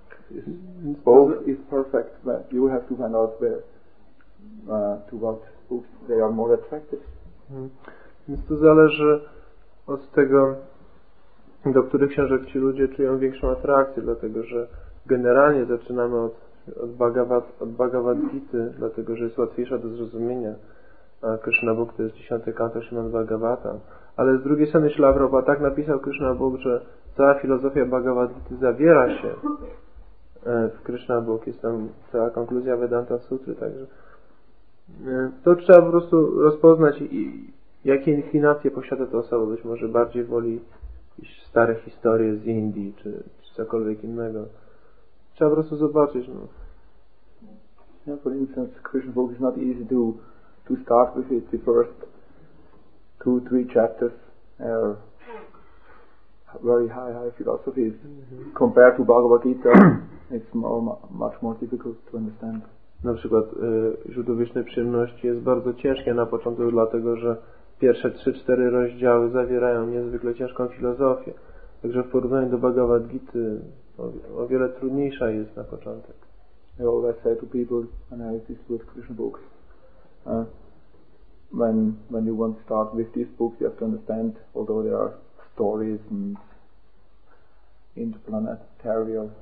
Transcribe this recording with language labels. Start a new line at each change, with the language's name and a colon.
English: It's both is perfect, but you have to find out where to what books they are more attractive.
Polish: Więc to zależy od tego, do których książek ci ludzie czują większą atrakcję, dlatego że generalnie zaczynamy od Bhagavad Gita, dlatego że jest łatwiejsza do zrozumienia. A Krishna Book to jest 10 kanto Śrimad Bhagavatam. Ale z drugiej strony Śrila Prabhupada tak napisał Krishna Book, że cała filozofia Bhagavad Gita zawiera się w Krishna Book. Jest tam cała konkluzja Vedanta Sutry, także to trzeba po prostu rozpoznać i jakie inklinacje posiada ta osoba. Być może bardziej woli stare historie z Indii czy cokolwiek innego. Trzeba po prostu zobaczyć.
English: Yeah, for instance, Krishna book is not easy to start with it. The first 2-3 chapters are very high philosophies. Compared to Bhagavad Gita, it's much more difficult to understand.
Polish: Na przykład źródło wiecznej przyjemności jest bardzo ciężkie na początku, dlatego że pierwsze 3-4 rozdziały zawierają niezwykle ciężką filozofię. Także w porównaniu do Bhagavad Gita o wiele trudniejsza jest na początek.
English: I always say to people, and I this with Krishna books, when you want to start with this book, you have to understand, although there are stories and interplanetary